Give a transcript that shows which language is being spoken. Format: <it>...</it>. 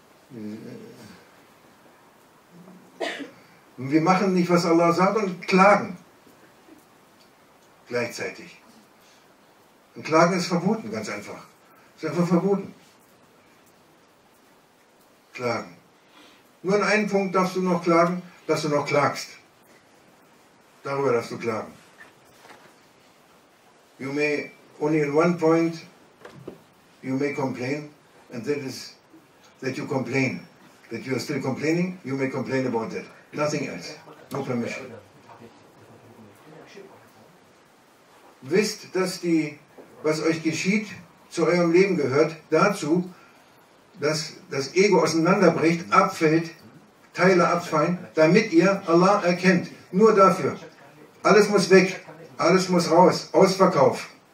<de>Und wir machen nicht, was Allah sagt, und klagen gleichzeitig. Und klagen ist verboten, ganz einfach. Ist einfach verboten. Klagen. Nur an einem Punkt darfst du noch klagen, dass du noch klagst. Darüber darfst du klagen.</de> <en>You may only in one point you may complain, and that is that you complain. That you are still complaining, you may complain about that. Nothing else. No permission.</en> <de>Wisst, dass die, was euch geschieht, zu eurem Leben gehört, dazu, dass das Ego auseinanderbricht, abfällt, Teile abfallen, damit ihr Allah erkennt. Nur dafür. Alles muss weg. Alles muss raus. Ausverkauf.</de>